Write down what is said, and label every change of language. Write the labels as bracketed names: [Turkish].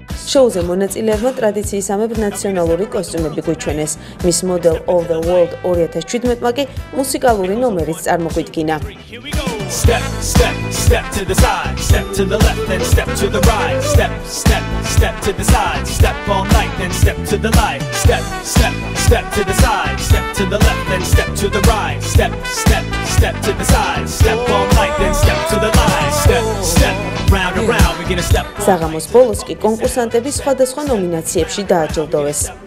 [Georgian] შოუზე მონაწილეებმა ტრადიციისამებრ ნაციონალური კოსტუმები გუჩვენეს. მის მოდელ All the World 2017-მა კი მუსიკალური ნომერიც წარმოგვიდგინა. [English] Step, step, step to the side, step to the left, then step to the right. Step, step, step to the side, step all night, then step to the light. Step, step, step to the side, step to the left, then step to the right. Step, step, step to the side, step all night, then step to the light. Step, step, round and round, we're gonna step. [Georgian] Საღამოს ბოლოს კი კონკურსანტები სხვადასხვა ნომინაციებში დააჯილდოვეს.